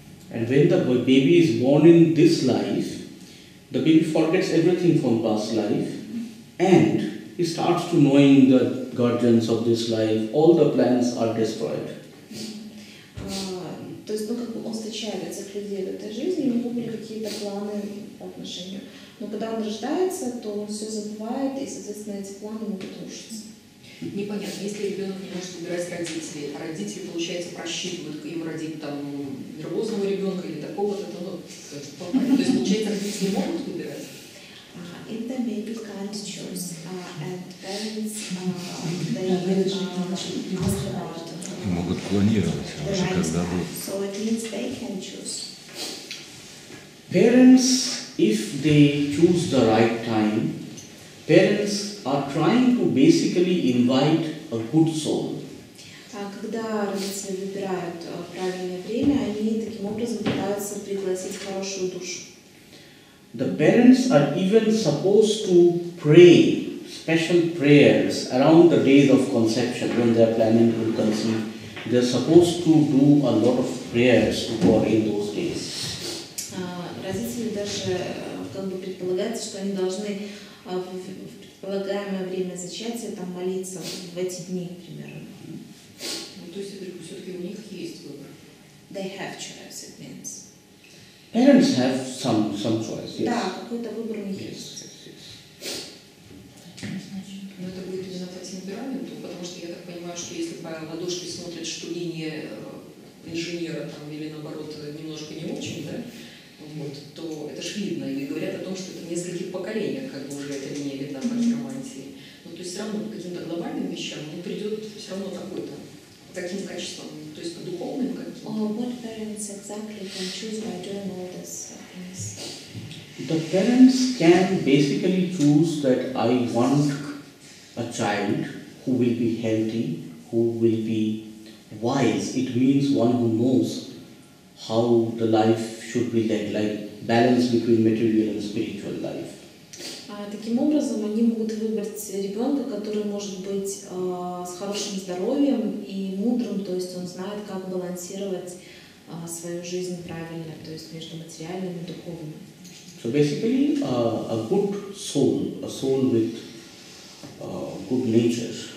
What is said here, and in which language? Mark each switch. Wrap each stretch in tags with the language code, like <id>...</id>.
<en>And when the baby is born in this life, the baby forgets everything from past life, and he starts to knowing the guardians of this life. All the plans are destroyed.</en> <ru>То есть, ну, как бы он встречает этих людей в этой жизни, у него были какие-то планы по отношению. Но когда он рождается, то он все забывает, и, соответственно, эти планы могут рушиться. Непонятно, если ребенок не может выбирать родителей, а родители, получается, просчитывают, им родить там нервозного ребенка или такого-то, то, ну, то есть, получается, родители не могут выбирать?</ru> <en>If the baby can't choose, and parents, they</en> <ru>могут клонировать уже когда будет.</ru> <en>So it means they can choose. Parents, if they choose the right time, parents are trying to basically invite a good soul.</en> <ru>Когда родители выбирают правильное время, они таким образом пытаются пригласить хорошую душу.</ru> <en>The parents are even supposed to pray special prayers around the days of conception when they are planning to conceive. They are supposed to do a lot of prayers to God in those days.</en> <ru>Родители даже как бы предполагается, что они должны в предполагаемое время зачатия там молиться в эти дни, примерно. Ну, то есть, вдруг, все-таки у них есть выбор.</ru> <en>They have choice, it means. Parents have some choice, yes.</en> <ru>Да, какой-то выбор у них есть.</ru> <en>Yes,</en> <ru>Ну, это будет именно по темпераменту, потому что я так понимаю, что если по ладошке смотрят, что линия инженера там или наоборот немножко не очень, да, вот, то это же видно. И говорят о том, что это в нескольких поколениях, как бы уже эта линия видна по хиромантии. Но то есть все равно по каким-то глобальным вещам он придет все равно такой-то. Таким качеством, то есть по духовным каким-то.</ru> <en>What parents exactly can choose by doing all this? The parents can basically choose that I want a child who will be healthy, who will be wise. It means one who knows how the life should be led, like balance between material and spiritual life.</en> <ru>Таким образом, они могут выбрать ребенка, который может быть с хорошим здоровьем и мудрым, то есть он знает, как балансировать свою жизнь правильно, то есть между материальным и духовным.</ru> <en>So basically, a good soul, a soul with good nature.</en>